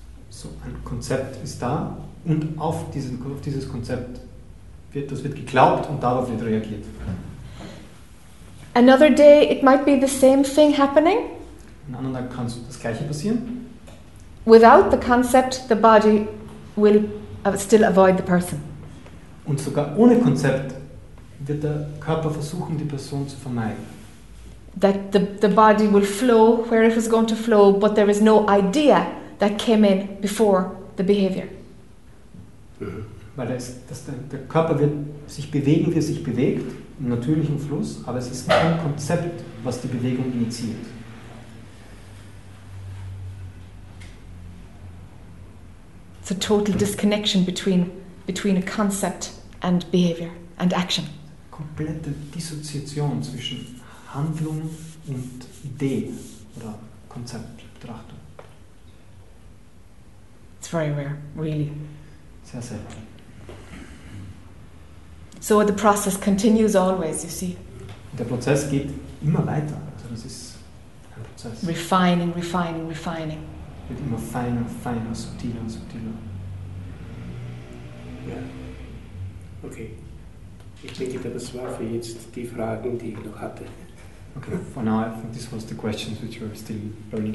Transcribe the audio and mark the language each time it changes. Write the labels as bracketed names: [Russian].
[German] So ein Konzept ist da und auf dieses Konzept wird geglaubt und darauf wird reagiert. [English] Another day it might be the same thing happening. [German] Und dann kann das Gleiche passieren. [English] Without the concept, the body will still avoid the person. [German] Und sogar ohne Konzept wird der Körper versuchen, die Person zu vermeiden. [English] That the body will flow where it was going to flow, but there is no idea that came in before the behavior. [German] Weil der Körper wird sich bewegen, wie er sich bewegt, im natürlichen Fluss, aber es ist kein Konzept, was die Bewegung initiiert. [English] It's a total disconnection between a concept and behavior and action. [German] Komplette Dissoziation zwischen Handlung und Idee oder Konzeptbetrachtung. [English] It's very rare, really. [German] Sehr selten. [English] So the process continues always, you see. [German] Der Prozess geht immer weiter. Also das ist ein Prozess. [English] Refining, refining, refining. [German] Wird immer feiner, feiner, subtiler, subtiler. Ja, okay. Ich denke, das war für jetzt die Fragen, die ich noch hatte. [English] Okay, for now I think this was the questions which were still burning.